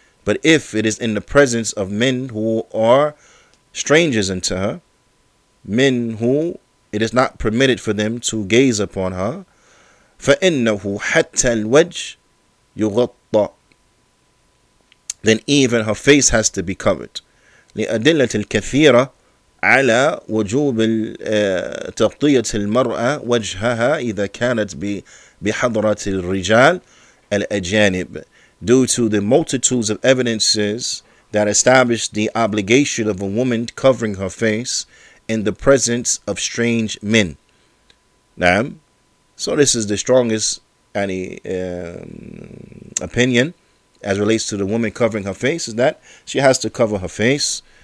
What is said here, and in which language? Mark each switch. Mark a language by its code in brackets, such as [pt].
[en] But if it is in the presence of men who are strangers unto her, men who it is not permitted for them to gaze upon her, [ar] فَإِنَّهُ حَتَّى الْوَجْهِ يُغَطَّى. [en] Then even her face has to be covered. [ar] لِأَدِلَّةِ الْكَثِيرَةِ على وجوب تغطية المرأة وجهها إذا كانت بحضرة الرجال الأجانب. [en] Due to the multitudes of evidences that establish the obligation of a woman covering her face in the presence of strange men. [ar] نعم. [en] So this is the strongest opinion as relates to the woman covering her face, is that she has to cover her face.